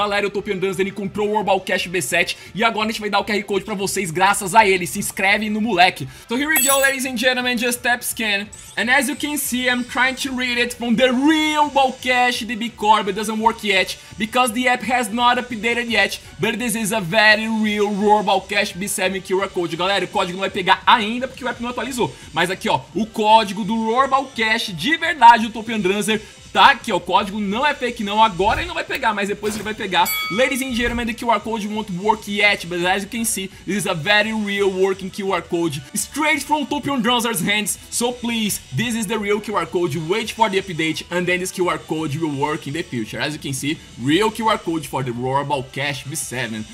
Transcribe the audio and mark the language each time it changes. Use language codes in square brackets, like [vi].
[pt] Galera, UTOPIANDRANZER encontrou o ROAR Balkesh B7, e agora a gente vai dar o QR Code pra vocês graças a ele, se inscreve no moleque. [en] So here we go, ladies and gentlemen, just tap scan, and as you can see, I'm trying to read it from the real Balkesh DB Core, but it doesn't work yet, because the app has not updated yet, but this is a very real ROAR Balkesh B7 QR Code. [pt] Galera, o código não vai pegar ainda, porque o app não atualizou, mas aqui ó, o código do ROAR Balkesh de verdade, o UTOPIANDRANZER, tá aqui, ó, o código não é fake não, agora ele não vai pegar, mas depois ele vai pegar. [en] Ladies and gentlemen, the QR code won't work yet, but as you can see, this is a very real working QR code, straight from UTOPIANDRANZER's hands, so please, this is the real QR code, wait for the update, and then this QR code will work in the future. As you can see, real QR code for the ROAR Balkesh B7.